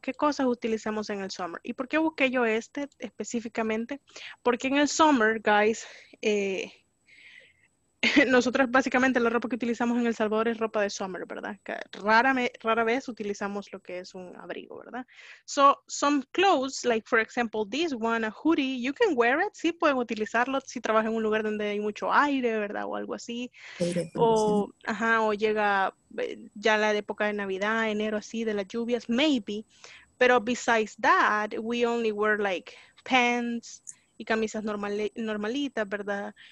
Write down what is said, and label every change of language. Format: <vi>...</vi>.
<es>¿Qué cosas utilizamos en el summer? ¿Y por qué busqué yo este específicamente? Porque en el summer, guys, nosotros básicamente la ropa que utilizamos en El Salvador es ropa de summer, ¿verdad? Rara vez utilizamos lo que es un abrigo, ¿verdad?</es> <en>So, some clothes, like for example, this one, a hoodie, you can wear it.</en> <es>Sí, pueden utilizarlo si trabajas en un lugar donde hay mucho aire, ¿verdad? O algo así. O llega ya la época de Navidad, enero así, de las lluvias, maybe.</es> <en>Pero besides that, we only wear like pants y camisas normalitas, ¿verdad?</en>